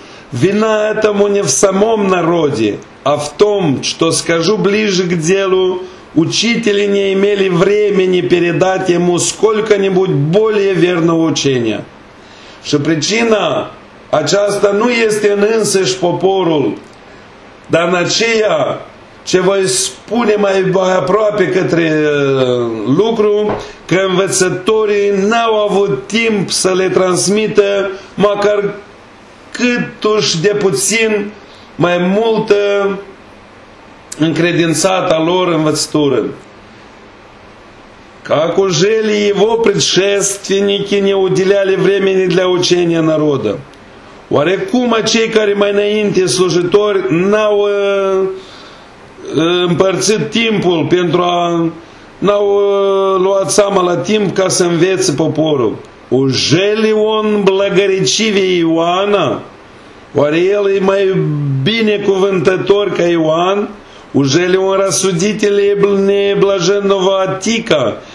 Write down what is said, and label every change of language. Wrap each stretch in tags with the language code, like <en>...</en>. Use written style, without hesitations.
<ru>Vina этому не в самом народе, а в том, что скажу ближе к делу, учители не имели времени передать ему сколько-нибудь более верного учения. Что причина</ru> <ro>aceasta nu este în însăși poporul, dar în aceea ce voi spune mai aproape către lucru, că învățătorii n-au avut timp să le transmită măcar câtuși de puțin mai multă încredințata lor învățătură.</ro> <ru>Как уже ли его предшественники не уделяли времени для учения народа?</ru> <ro>Oarecum acei care mai înainte slujitori n-au împărțit timpul pentru a n-au luat seama la timp ca să învețe poporul.</ro> <ru>Ужели он благоречивее Иоанна?</ru> <ro>Oare el e mai binecuvântător ca Ioan?</ro> <ru>Ужели он рассудителе блаженного Атика?</ru>